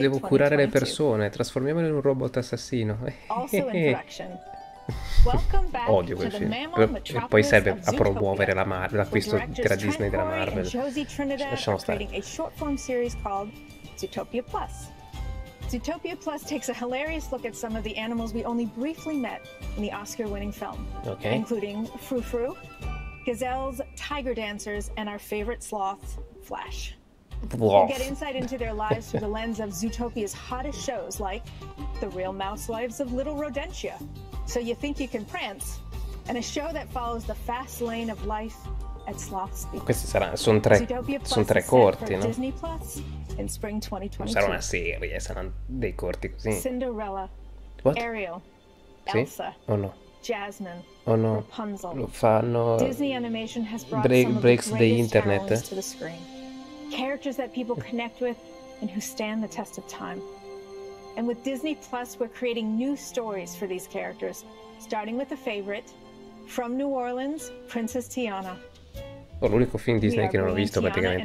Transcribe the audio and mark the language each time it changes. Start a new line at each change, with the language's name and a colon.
Italian: devo curare le persone, trasformiamolo in un robot assassino.
English: Also in production. Welcome back.
Italian: Odio quel film. E poi serve a promuovere la l'acquisto della Disney della Marvel. Lasciamo stare.
English: A short form series called Zootopia Plus. Zootopia Plus takes a hilarious look at some of the animals we only briefly met in the Oscar-winning film, okay, including Fru Fru, gazelles, tiger dancers, and our favorite sloth, Flash. We'll get insight into their lives through the lens of Zootopia's hottest shows, like The Real Mousewives of Little Rodentia, So You Think You Can Prance, and a show that follows the fast lane of life at sloth speed.
Italian: Questi sono tre corti, no?
English: Disney Plus. In spring 2022.
Italian: Sarà una serie, saranno dei corti così.
English: Cinderella. What? Ariel.
Italian: Sì?
English: Elsa. Oh no. Jasmine. Oh no. Rapunzel.
Italian: Lo fanno.
English: Disney Animation has brought breaks the internet to the screen. Characters that people connect with and who stand the test of time. And with Disney Plus we're creating new stories for these characters, starting with a favorite from New Orleans, Princess Tiana.
Italian: Oh, l'unico film Disney che non ho visto praticamente.